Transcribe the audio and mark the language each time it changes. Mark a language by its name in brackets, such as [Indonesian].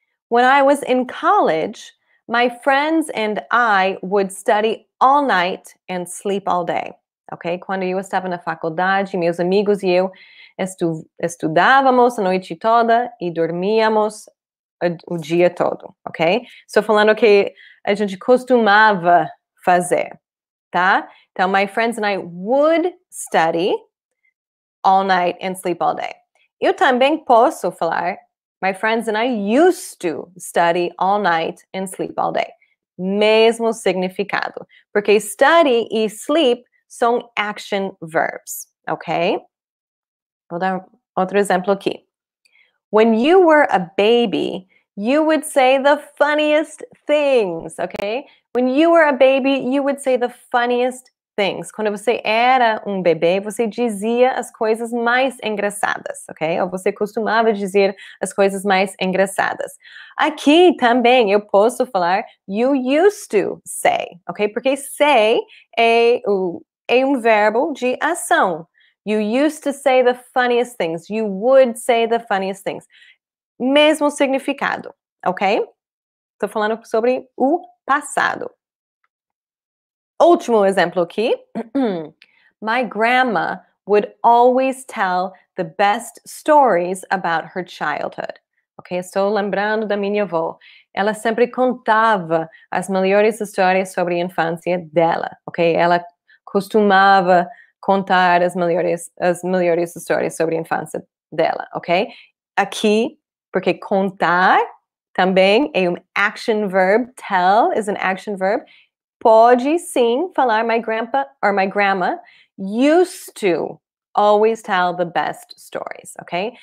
[English] When I was in college, my friends and I would study all night and sleep all day. Ok? [Portuguese] Quando eu estava na faculdade, meus amigos e eu estudávamos a noite toda e dormíamos o dia todo, ok? Estou falando que a gente costumava fazer, tá? Então, [English] my friends and I would study all night and sleep all day. [Portuguese] Eu também posso falar, [English] my friends and I used to study all night and sleep all day. [Portuguese] Mesmo significado. Porque study e sleep são [English] action verbs, [Portuguese] ok? Vou dar outro exemplo aqui. [English] When you were a baby, you would say the funniest things, ok? When you were a baby, you would say the funniest things. [Portuguese] Quando você era bebê, você dizia as coisas mais engraçadas, ok? Ou você costumava dizer as coisas mais engraçadas. Aqui também eu posso falar [English] you used to say, [Portuguese] ok? Porque say é verbo de ação. [English] You used to say the funniest things. You would say the funniest things. [Portuguese] Mesmo significado, ok? Estou falando sobre o passado. Último exemplo aqui. [English] My grandma would always tell the best stories about her childhood. [Portuguese] Ok, estou lembrando da minha avó. Ela sempre contava as melhores histórias sobre a infância dela. Ok, ela costumava contar as melhores histórias sobre a infância dela, ok? Aqui, porque contar também é [English] action verb, tell is an action verb, [Portuguese] pode sim falar [English] my grandpa or my grandma used to always tell the best stories, ok?